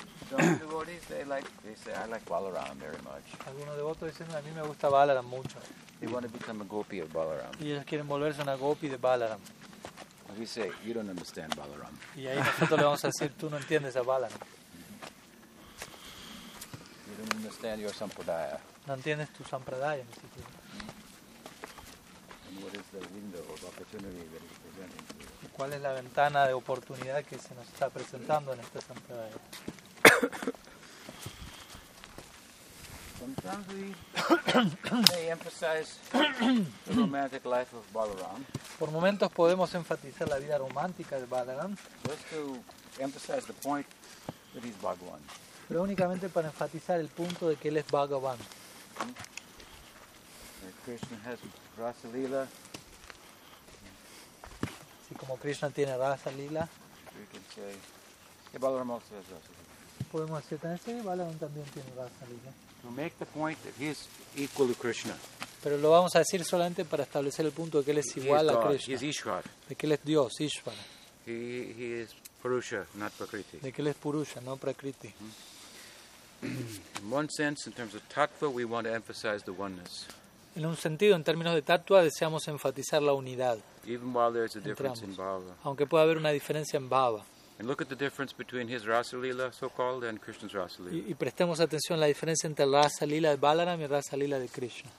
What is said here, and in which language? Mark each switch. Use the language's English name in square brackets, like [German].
[English] Some devotees they say I like Balaram very much. [Spanish] Algunos devotos dicen a mí me gusta Balaram mucho. [English] They want to become a gopi of Balaram. [Spanish] Y ellos quieren volverse una gopi de Balaram. [English] We say you don't understand Balaram. [Spanish] Y ahí nosotros le vamos a decir tú no entiendes a Balaram. [English] We You don't understand your sampradaya. [Spanish] No entiendes tu sampradaya. [English] And what is the window of opportunity that is presenting to you? [Spanish] ¿Cuál es la ventana de oportunidad que se nos está presentando en esta sampradaya? [English] Sometimes we may emphasize the romantic life of Balaram. [Spanish] Por momentos podemos enfatizar la vida romántica de Balaram. [English] Just to emphasize the point that he's Bhagavan. [Spanish] Pero únicamente para enfatizar el punto de que él es Bhagavan. [English] Krishna has Rasa Lila. [Spanish] Si como Krishna tiene Rasa Lila. [English] We can say, yeah, Balaram also has Rasa Lila. [Spanish] Podemos decir también que Balaram también tiene Rasa Lila. [English] To make the point that he is equal to Krishna. [Spanish] Pero lo vamos a decir solamente para establecer el punto de que él es igual a Krishna. [English] He is Ishvara. [Spanish] De que él es Dios, Ishvara. [English] He is Purusha, not Prakriti. [Spanish] De que él es Purusha, no Prakriti. [English] In one sense, in terms of tattva, we want to emphasize the oneness. [Spanish] En un sentido, en términos de tattva, deseamos enfatizar la unidad. [English] Even while there is a difference in bhava. [Spanish] Aunque pueda haber una diferencia en bhava. [English] And look at the difference between his Rasa Lila, so-called, and Krishna's Rasa Lila. [Spanish] Y prestemos atención a la diferencia entre Rasa Lila de Balaram y Rasa Lila de Krishna.